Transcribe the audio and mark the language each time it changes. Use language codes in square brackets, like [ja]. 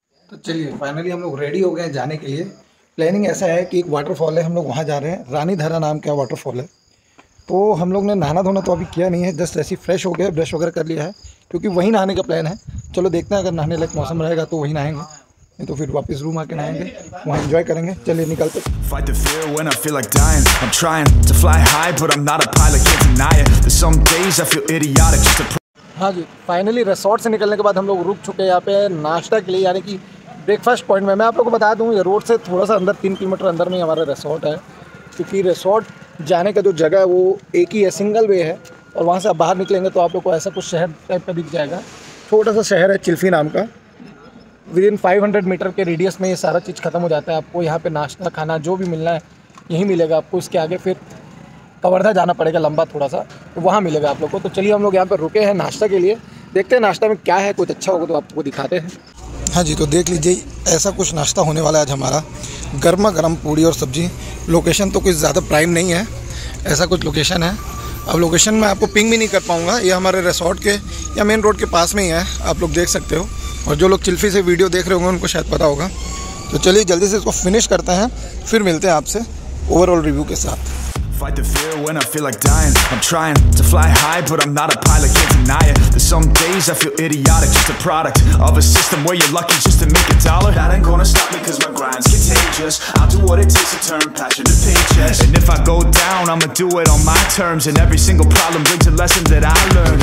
[hi] तो चलिए फाइनली हम लोग रेडी हो गए जाने के लिए। प्लानिंग ऐसा है कि एक वाटरफॉल है, हम लोग वहाँ जा रहे हैं, रानी धारा नाम का वाटरफॉल है। तो हम लोग ने नहाना धोना तो अभी किया नहीं है, जस्ट ऐसे फ्रेश हो गए, ब्रश वगैरह कर लिया है, क्योंकि वहीं नहाने का प्लान है। चलो देखते हैं, अगर नहाने लायक मौसम रहेगा तो वहीं नहाएंगे, नहीं तो फिर वापस रूम आके नहाएंगे, वहाँ एंजॉय करेंगे। चलिए निकलते। [en] Fight the fear when I feel like dying. I'm trying to fly high, but I'm not a pilot, can't deny it. Some days I feel idiotic. [hi] हाँ जी, फाइनली रिसॉर्ट से निकलने के बाद हम लोग रुक चुके हैं यहाँ पे नाश्ता के लिए, यानी कि ब्रेकफास्ट पॉइंट में। मैं आप लोगों को बता दूँ, ये रोड से थोड़ा सा अंदर 3 किलोमीटर अंदर में हमारा रिसॉर्ट है, क्योंकि रिसॉर्ट जाने का जो जगह है वो एक ही है, सिंगल वे है, और वहाँ से आप बाहर निकलेंगे तो आप लोग को ऐसा कुछ शहर टाइप का दिख जाएगा। छोटा सा शहर है चिल्फी नाम का, विद इन 500 मीटर के रेडियस में ये सारा चीज़ ख़त्म हो जाता है। आपको यहाँ पे नाश्ता खाना जो भी मिलना है यहीं मिलेगा आपको, इसके आगे फिर कवर्धा जाना पड़ेगा लंबा थोड़ा सा, तो वहाँ मिलेगा आप लोग को। तो चलिए हम लोग यहाँ पे रुके हैं नाश्ता के लिए, देखते हैं नाश्ता में क्या है, कुछ अच्छा होगा तो आपको दिखाते हैं। हाँ जी, तो देख लीजिए ऐसा कुछ नाश्ता होने वाला है आज हमारा, गर्मा गर्म पूड़ी और सब्जी। लोकेशन तो कुछ ज़्यादा प्राइम नहीं है, ऐसा कुछ लोकेशन है। अब लोकेशन मैं आपको पिंग भी नहीं कर पाऊँगा, ये हमारे रिसॉर्ट के या मेन रोड के पास में ही है, आप लोग देख सकते हो, और जो लोग चिल्फी से वीडियो देख रहे होंगे उनको शायद पता होगा। तो चलिए जल्दी से इसको फिनिश करते हैं, फिर मिलते हैं आपसे ओवरऑल रिव्यू के साथ। [en] Fight the fear when I feel like dying. I'm trying to fly high, but I'm not a pilot, can't deny it. There's some days I feel idiotic, just a product of a system where you're lucky just to make a dollar. That ain't gonna stop me cause my grind's contagious. I'll do what it takes to turn passion to paychecks. And if I go down, I'ma do it on my terms. And every single problem brings a lesson that I learned.